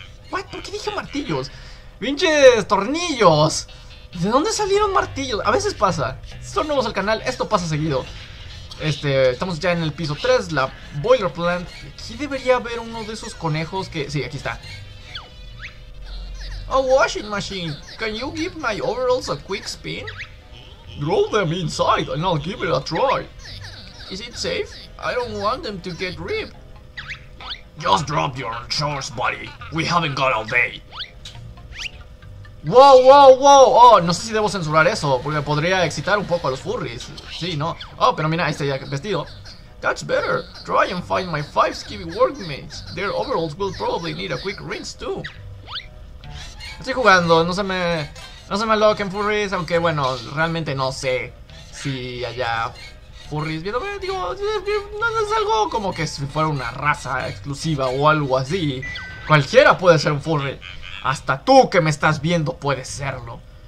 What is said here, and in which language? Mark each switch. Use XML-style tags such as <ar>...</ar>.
<es>What, ¿por qué dije martillos? ¡Pinches tornillos! ¿De dónde salieron martillos? A veces pasa, son nuevos al canal, esto pasa seguido. Estamos ya en el piso 3, la boiler plant. Aquí debería haber uno de esos conejos que... Sí, aquí está.</es> <en>A washing machine, can you give my overalls a quick spin? Throw them inside and I'll give it a try. Is it safe? I don't want them to get ripped. Just drop your shorts, buddy. We haven't got all day. Wow, wow, wow.</en> <es>Oh, no sé si debo censurar eso, porque podría excitar un poco a los furries. Sí, no. Oh, pero mira, ahí está ya vestido.</es> <en>That's better. Try and find my 5 skinny workmates. Their overalls will probably need a quick rinse too.</en> <es>Estoy jugando, no se me aloquen furries, aunque bueno, realmente no sé si allá furries viéndome, digo, no es algo como que si fuera una raza exclusiva o algo así. Cualquiera puede ser un furry. Hasta tú que me estás viendo puedes serlo.</es>